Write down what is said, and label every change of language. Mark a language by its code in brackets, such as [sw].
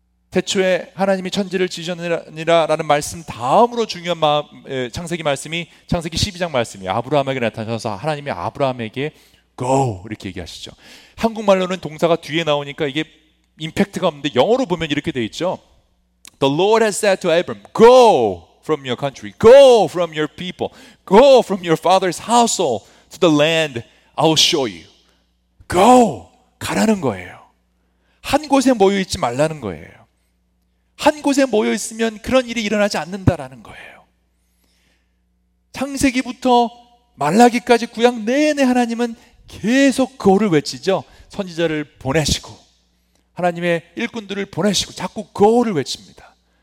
[ko] 태초에 하나님이 천지를 지으셨느니라 라는 말씀 다음으로 중요한 창세기 말씀이 창세기 12장 말씀이에요. 아브라함에게 나타나셔서 하나님이 아브라함에게 go 이렇게 얘기하시죠. 한국말로는 동사가 뒤에 나오니까 이게 임팩트가 없는데 영어로 보면 이렇게 돼 있죠. [en] The Lord has said to Abram, go from your country, go from your people, go from your father's household to the land I'll show you. [ko] Go! 가라는 거예요. 한 곳에 모여 있지 말라는 거예요. 한 곳에 모여 있으면 그런 일이 일어나지 않는다라는 거예요. 창세기부터 말라기까지 구약 내내 하나님은 계속 go를 외치죠. 선지자를 보내시고 하나님의 일꾼들을 보내시고 자꾸 go를 외칩니다.